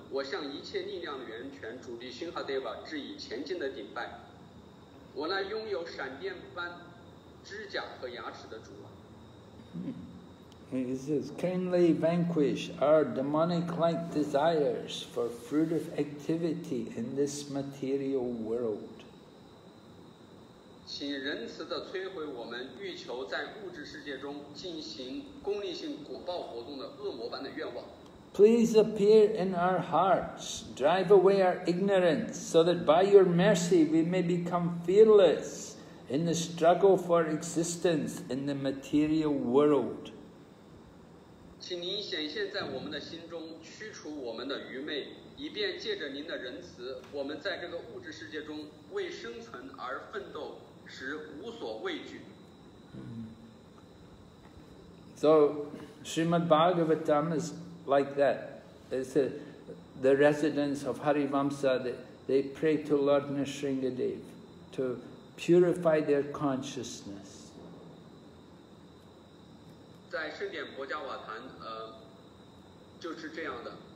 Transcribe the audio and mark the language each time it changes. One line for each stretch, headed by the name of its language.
Chinese: 我向一切力量的源泉主女星哈 Deva 致以前进的顶拜。我那拥有闪电般指甲和牙齿的主啊。
English: He says, kindly vanquish our demonic-like desires for fruit of activity in this material world.
Chinese: 请仁慈地摧毁我们欲求在物质世界中进行功利性果报活动的恶魔般的愿望。
English: Please appear in our hearts, drive away our ignorance, so that by your mercy we may become fearless in the struggle for existence in the material world.
Chinese: 请您显现在我们的心中，驱除我们的愚昧，以便借着您的仁慈，我们在这个物质世界中为生存而奋斗时无所畏惧。
English: So, Srimad Bhagavatam is like that. It's the residents of Harivamsa, they pray to Lord Nrisingadev to purify their consciousness.
Chinese: 在圣典博迦瓦坛，就是这样的。